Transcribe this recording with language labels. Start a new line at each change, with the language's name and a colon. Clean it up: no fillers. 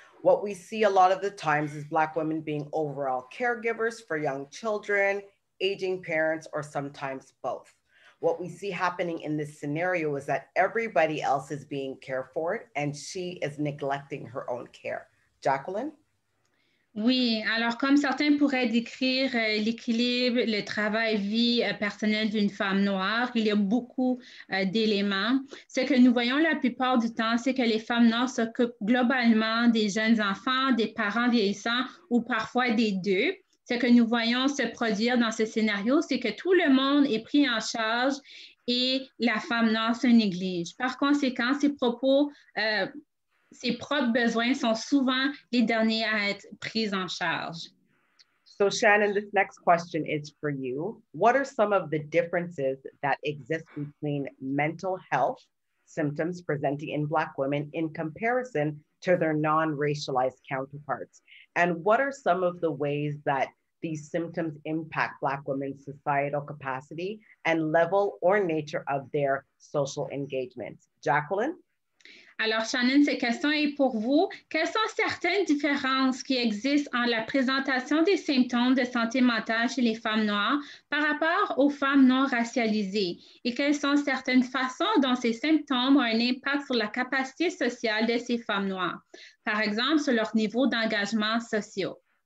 English: What we see a lot of the times is Black women being overall caregivers for young children, aging parents, or sometimes both. What we see happening in this scenario is that everybody else is being cared for and she is neglecting her own care. Jacklyn?
French: Oui, alors comme certains pourraient décrire l'équilibre, le travail-vie personnel d'une femme noire, il y a beaucoup d'éléments. Ce que nous voyons la plupart du temps, c'est que les femmes noires s'occupent globalement des jeunes enfants, des parents vieillissants ou parfois des deux. Ce que nous voyons se produire dans ce scénario, c'est que tout le monde est pris en charge et la femme noire se néglige. Par conséquent, ces propos... ses propres besoins sont souvent les derniers à être pris en charge.
English: So Shannon, this next question is for you. What are some of the differences that exist between mental health symptoms presenting in Black women in comparison to their non-racialized counterparts? And what are some of the ways that these symptoms impact Black women's societal capacity and level or nature of their social engagements? Jacklyn?
French: Alors, Shannon, cette question est pour vous. Quelles sont certaines différences qui existent en la présentation des symptômes de santé mentale chez les femmes noires par rapport aux femmes non racialisées? Et quelles sont certaines façons dont ces symptômes ont un impact sur la capacité sociale de ces femmes noires, par exemple, sur leur niveau d'engagement social?